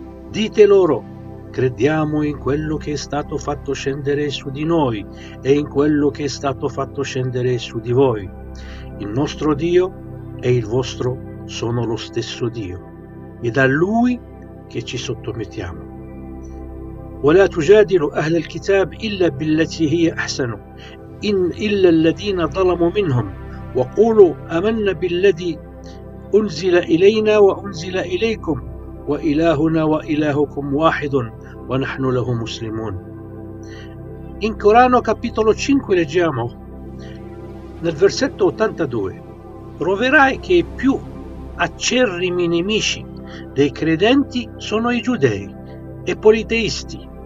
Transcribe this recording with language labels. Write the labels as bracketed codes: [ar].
[it] Dite loro: crediamo in quello che è stato fatto scendere su di noi e in quello che è stato fatto scendere su di voi. Il nostro Dio e il vostro sono lo stesso Dio, ed a Lui che ci sottomettiamo. [ar] ولا تجادلوا أهل الكتاب إلا بالتي هي أحسن إلا الذين ظلموا منهم وقولوا آمنا بالذي أنزل إلينا وأنزل إليكم وإلهنا وإلهكم واحد ونحن له مسلمون. [it] In Corano capitolo 5 leggiamo nel versetto 82: troverai che i più acerrimi nemici dei credenti sono i giudei e politeisti.